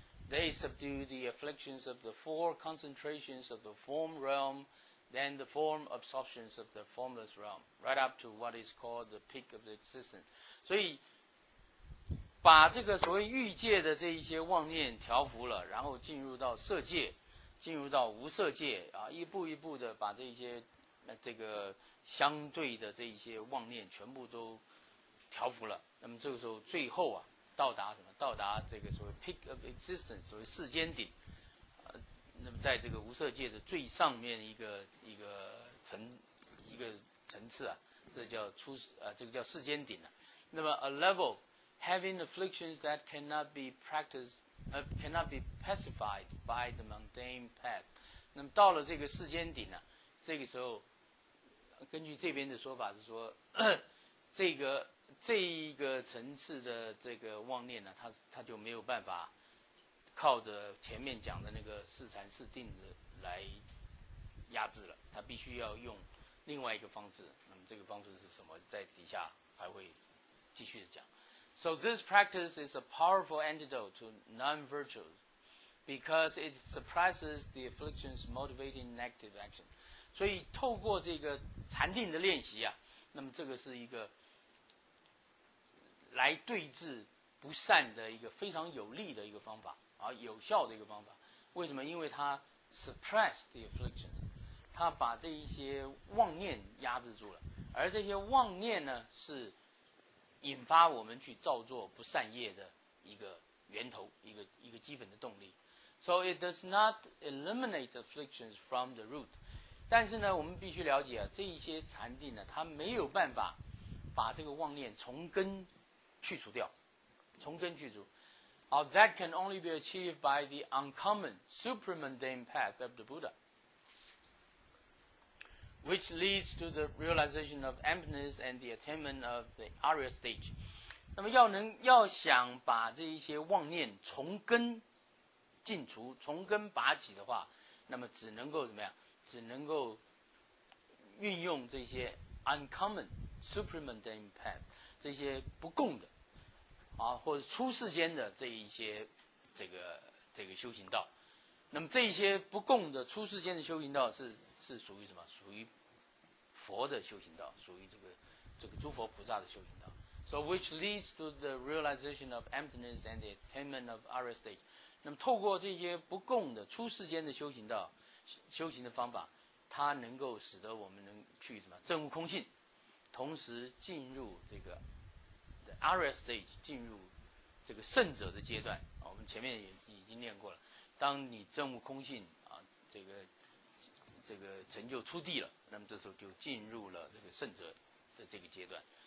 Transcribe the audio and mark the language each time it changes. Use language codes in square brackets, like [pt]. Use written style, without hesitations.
[en] They subdue the afflictions of the four concentrations of the form realm, then the form absorptions of the formless realm, right up to what is called the peak of the existence. [zh] 所以把这个所谓欲界的这一些妄念调伏了，然后进入到色界，进入到无色界啊，一步一步的把这些这个相对的这一些妄念全部都调伏了。那么这个时候最后啊，到达什么？到达这个所谓 [en] peak of existence， [zh] 所谓世间顶。那么在这个无色界的最上面一个层次啊，这叫初啊，这个叫世间顶了、啊。那么 [en] a level having afflictions that cannot be practiced cannot be pacified by the mundane path。 [zh] 那么到了这个世间顶呢、啊，这个时候，根据这边的说法是说，这一个层次的这个妄念呢、啊，它就没有办法靠着前面讲的那个四禅四定的来压制了，它必须要用另外一个方式。那么这个方式是什么？在底下还会继续的讲。 [en] So this practice is a powerful antidote to non-virtues because it suppresses the afflictions motivating negative action. [zh] 所以透过这个禅定的练习啊，那么这个是一个来对治不善的一个非常有力的一个方法啊，有效的一个方法。为什么？因为它 [en] suppress the afflictions， [zh] 它把这一些妄念压制住了，而这些妄念呢是引发我们去造作不善业的一个源头，一个基本的动力。 [en] So it does not eliminate afflictions from the root。 [zh] 但是呢，我们必须了解啊，这一些禅定呢，它没有办法把这个妄念从根去除掉，从根去除。 [en] That can only be achieved by the uncommon supramundane path of the Buddha which leads to the realization of emptiness and the attainment of the Arya stage。 [zh] 那么要想把这一些妄念从根进除，从根拔起的话，那么只能够怎么样？只能够运用这些 [en] uncommon supramundane path， [zh] 这些不共的啊，或者出世间的这一些这个修行道。那么这一些不共的出世间的修行道是属于什么？属于佛的修行道，属于这个诸佛菩萨的修行道。 [en] So which leads to the realization of emptiness and the attainment of Arya stage。 [zh] 那么透过这些不共的出世间的修行道修行的方法，它能够使得我们能去什么？证悟空性，同时进入这个 [en] the Arya stage， [zh] 进入这个圣者的阶段。我们前面也已经念过了，当你证悟空性啊，这个成就出地了，那么这时候就进入了这个圣者的这个阶段。